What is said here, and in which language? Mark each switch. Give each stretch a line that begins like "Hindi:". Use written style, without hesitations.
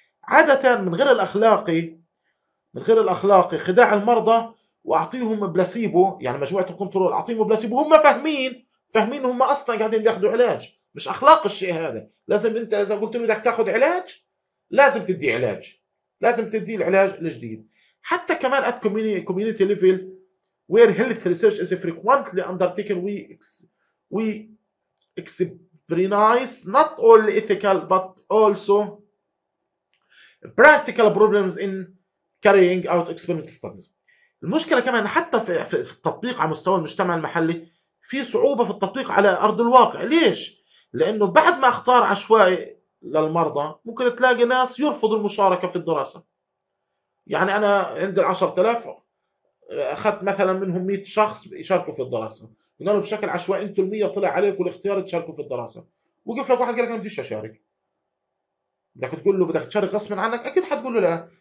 Arabic: عادة من غير الأخلاقي خداع المرضى وأعطيهم بلاسيبو، يعني مجموعة الكنترول أعطيهم بلاسيبو، هم فاهمين هم أصلا قاعدين بياخدوا علاج، مش أخلاق الشيء هذا. لازم أنت إذا قلت له بدك تاخد علاج لازم تدي العلاج الجديد. حتى كمان
English: at community level where health research is frequently undertaken we experience not all ethical but also practical problems in carrying out experimental studies.
Arabic: المشكلة كمان حتى في التطبيق على مستوى المجتمع المحلي في صعوبة في التطبيق على أرض الواقع. ليش؟ لأنه بعد ما اختار عشوائي للمرضى ممكن تلاقي ناس يرفضوا المشاركة في الدراسة. يعني أنا عندي 10,000 أخذت مثلا منهم 100 شخص يشاركوا في الدراسة، قلنا بشكل عشوائي انتوا 100 طلع عليكم الاختيار تشاركوا في الدراسه، وقف لك واحد قال لك انا بديش اشارك، بدك تقول له بدك تشارك غصب عنك، اكيد حتقول له لا.